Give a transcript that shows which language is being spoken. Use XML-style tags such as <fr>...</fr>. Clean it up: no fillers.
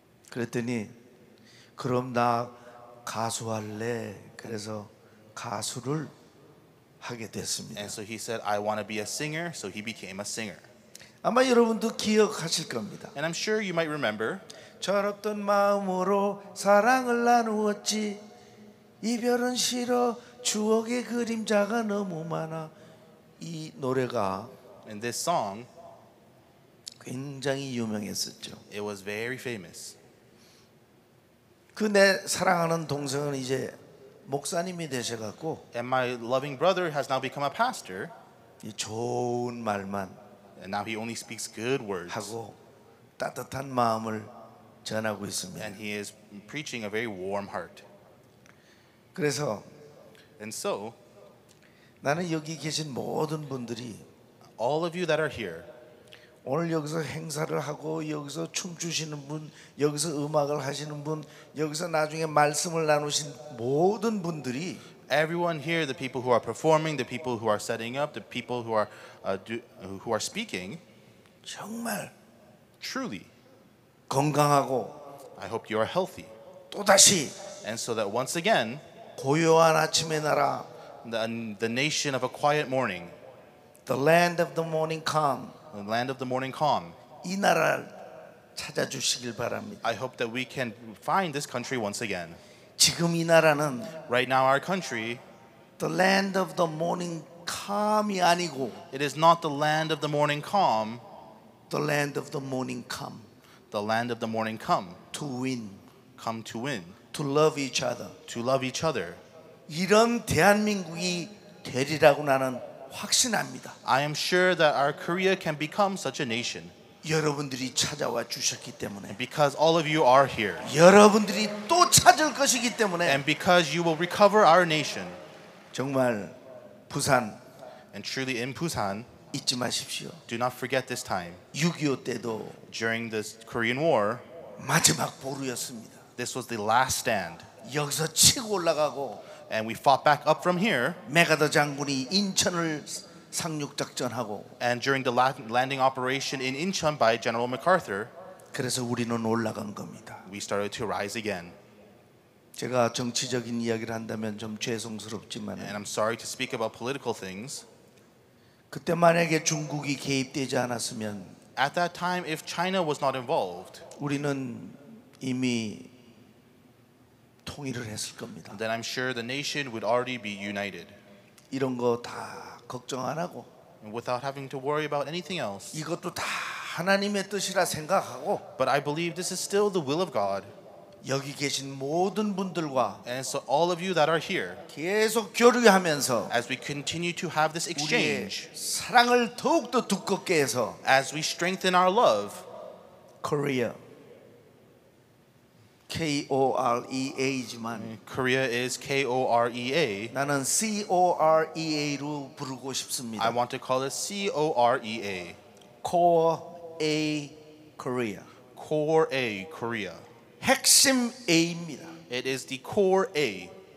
<ko>그랬더니 그럼 나 가수 할래. 그래서 가수를 하게 됐습니다.</ko> <en>And so he said, I want to be a singer, so he became a singer.</en> <ko>아마 여러분도 기억하실 겁니다.</ko> <en>And I'm sure you might remember.</en> <ko>철없던 마음으로 사랑을 나누었지 이별은 싫어 추억의 그림자가 너무 많아 이 노래가</ko> <en>And this song</en> <ko>굉장히 유명했었죠.</ko> <en>It was very famous.</en> <ko>그 내 사랑하는 동생은 이제 목사님이 되셔갖고</ko> <en>And my loving brother has now become a pastor.</en> <ko>이 좋은 말만</ko> <en>And now he only speaks good words.</en> <ko>하고 따뜻한 마음을 전하고 있습니다.</ko> <en>And he is preaching a very warm heart.</en> <ko>그래서</ko> <en>And so</en> <ko>나는 여기 계신 모든 분들이</ko> <en>All of you that are here</en> <ko>오늘 여기서 행사를 하고 여기서 춤추시는 분, 여기서 음악을 하시는 분, 여기서 나중에 말씀을 나누신 모든 분들이</ko> <en>Everyone here, the people who are performing, the people who are setting up, the people who are who are speaking</en> <ko>정말</ko> <en>truly</en> <ko>건강하고</ko> <en>I hope you are healthy</en> <ko>또다시</ko> <en>and so that once again</en> <ko>고요한 아침의 나라</ko> <en>the nation of a quiet morning the land of the morning calm the land of the morning calm</en> <ko>이 나라를 찾아주시길 바랍니다</ko> <en>I hope that we can find this country once again</en> <ko>지금 이 나라는</ko> <en>right now our country the land of the morning calm이</en> <ko>아니고</ko> <en>it is not the land of the morning calm the land of the morning come the land of the morning come to win come to win to love each other to love each other</en> <ko>이런 대한민국이 되리라고 나는 확신합니다.</ko> <en>I am sure that our Korea can become such a nation.</en> <ko>여러분들이 찾아와 주셨기 때문에</ko> <en>because all of you are here.</en> <ko>여러분들이 또 찾을 것이기 때문에</ko> <en>and because you will recover our nation.</en> <ko>정말 부산</ko> <en>and truly in Busan</en> <ko>잊지 마십시오.</ko> <en>Do not forget this time.</en> <ko>6.25 때도</ko> <en>during this Korean War</en> <ko>마지막 보루였습니다.</ko> <en>This was the last stand.</en> <ko>여기서 치고 올라가고</ko> <en>and we fought back up from here.</en> <ko>맥아더 장군이 인천을 상륙 작전하고</ko> <en>and during the landing operation in Incheon by General MacArthur</en> <ko>그래서 우리는 올라간 겁니다.</ko> <en>We started to rise again.</en> <ko>제가 정치적인 이야기를 한다면 좀 죄송스럽지만</ko> <en>and I'm sorry to speak about political things.</en> <ko>그때 만약에 중국이 개입되지 않았으면</ko> <en>at that time if China was not involved</en> <ko>우리는 이미 통일을 했을 겁니다.</ko> <en>Then I'm sure the nation would already be united.</en> <ko>이런 거 다 걱정 안 하고</ko> <en>without having to worry about anything else.</en> <ko>이것도 다 하나님의 뜻이라 생각하고</ko> <en>but I believe this is still the will of God.</en> <ko>여기 계신 모든 분들과</ko> <en>and so all of you that are here</en> <ko>계속 교류하면서</ko> <en>as we continue to have this exchange</en> <ko>사랑을 더욱 더 두껍게 해서</ko> <en>as we strengthen our love</en> <ko>Korea K-O-R-E-A지만</ko> <en>Korea is K-O-R-E-A</en> <ko>나는 C-O-R-E-A로 부르고 싶습니다.</ko> <en>I want to call it C-O-R-E-A Core A Korea Core A Korea</en> <ko>핵심 A입니다.</ko> <en>It is the Core A</en>